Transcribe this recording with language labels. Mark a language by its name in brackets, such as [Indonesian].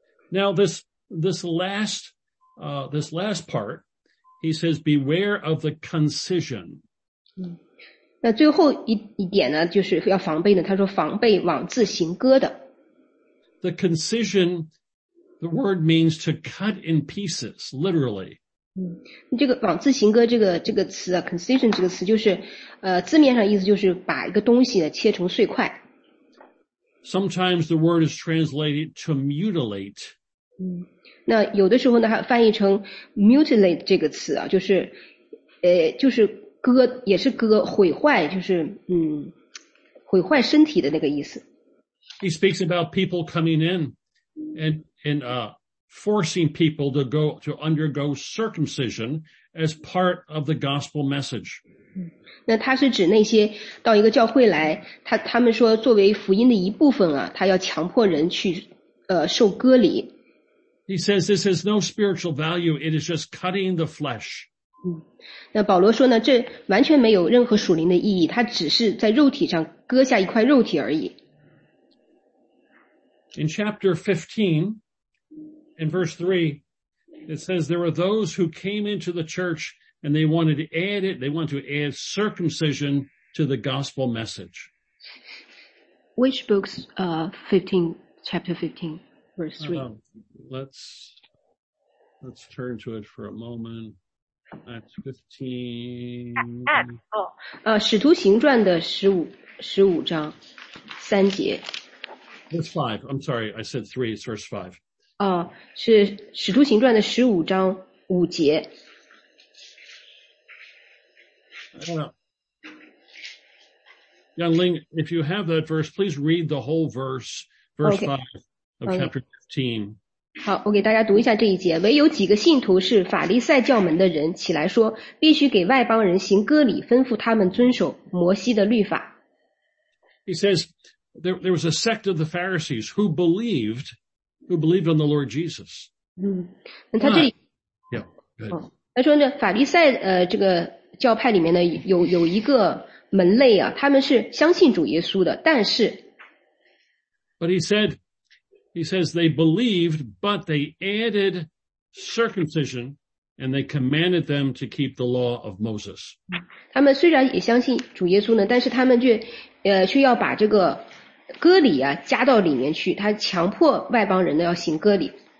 [English] Now this last part, he says, beware of the concision. [Chinese] 那最后一点呢，就是要防备呢，他说防备枉自行割的。 [English] The concision, the word means to cut in pieces, literally. [Chinese] 这个枉自行割这个词啊 ,concision 这个词就是字面上意思就是把一个东西呢切成碎块。 [English] Sometimes the word is translated to mutilate. [Chinese] 那有的时候呢还翻译成 mutilate 这个词啊，就是就是割，也是割，毁坏，就是毁坏身体的那个意思。 [English] He speaks about people coming in and forcing people to undergo circumcision as part of the gospel message. [Chinese] 那他是指那些到一个教会来，他们说作为福音的一部分啊，他要强迫人去受割礼。 [English] He says this has no spiritual value, it is just cutting the flesh. [Chinese] 那保罗说呢，这完全没有任何属灵的意义，他只是在肉体上割下一块肉体而已。 [English] In chapter 15,In verse 3, it says, there were those who came into the church and they wanted to add it, they want to add circumcision to the gospel message. Which book's, 15, chapter 15, verse 3? Let's turn to it for a moment. Acts 15. [Chinese] Acts, 使徒行传的15章,三节。 [English] It's 5, I'm sorry, I said 3, it's verse 5. [Chinese] 是《使徒行传》的15章5节。 [English] Young Ling, if you have that verse, please read the whole verse, verse 5 of chapter 15. [Chinese] 好，我给大家读一下这一节。唯有几个信徒是法利赛教门的人，起来说，必须给外邦人行割礼，吩咐他们遵守摩西的律法。 [English] He says there was a sect of the Pharisees who believed on the Lord Jesus. [Chinese] 那他这里 yeah, 他说呢法利赛这个教派里面呢有一个门类啊，他们是相信主耶稣的，但是 [English] But he says they believed, but they added circumcision and they commanded them to keep the law of Moses. [Chinese] 他们虽然也相信主耶稣呢，但是他们却要把这个割礼啊加到里面去，他强迫外邦人呢要行割礼。